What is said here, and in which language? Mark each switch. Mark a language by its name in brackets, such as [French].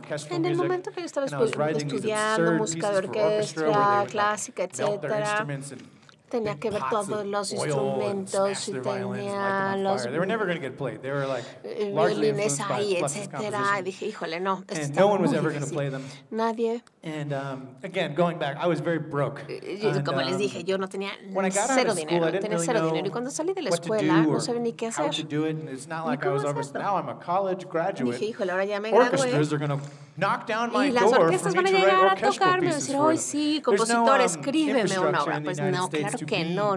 [Spanish] En el momento que yo estaba estudiando música de orquesta, clásica, etc., tenía que ver todos los instrumentos y tenía los violines ahí, etc. Y dije, híjole, no, esto está muy difícil. Nadie. [English] And again, going back, I was very broke. [Spanish] Como les dije, yo no tenía cero dinero. Y cuando salí de la escuela, no sabía ni qué hacer. [English] Now I'm a college graduate. [Spanish] Dije, híjole, ahora ya me gradué. [English] Orchestras are going to knock down my door for me to write orchestral pieces for them. [Spanish] Y sí, compositor, escríbeme una obra. Pues no, claro que no.